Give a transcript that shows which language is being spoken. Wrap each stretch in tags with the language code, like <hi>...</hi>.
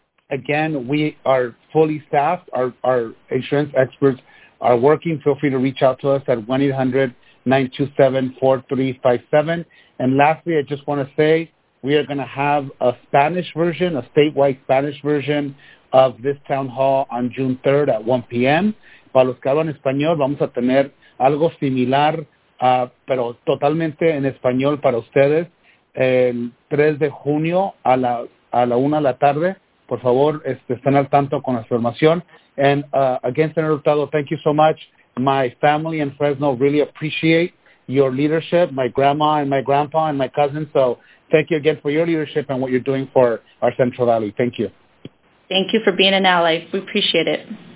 <en>Again, we are fully staffed. Our insurance experts are working. Feel free to reach out to us at 1-800-927-4357. And lastly, I just want to say we are going to have a Spanish version, a statewide Spanish version of this town hall on June 3rd at 1 p.m.</en> <es>Para los que hablan español, vamos a tener algo similar, pero totalmente en español para ustedes, el 3 de junio a la 1 de la tarde. Por favor, estén al tanto con la información.</es> <en>And again, Senator Hurtado, thank you so much. My family in Fresno really appreciate your leadership, my grandma and my grandpa and my cousin. So thank you again for your leadership and what you're doing for our Central Valley. Thank you. Thank you for being an ally. We appreciate it.</en>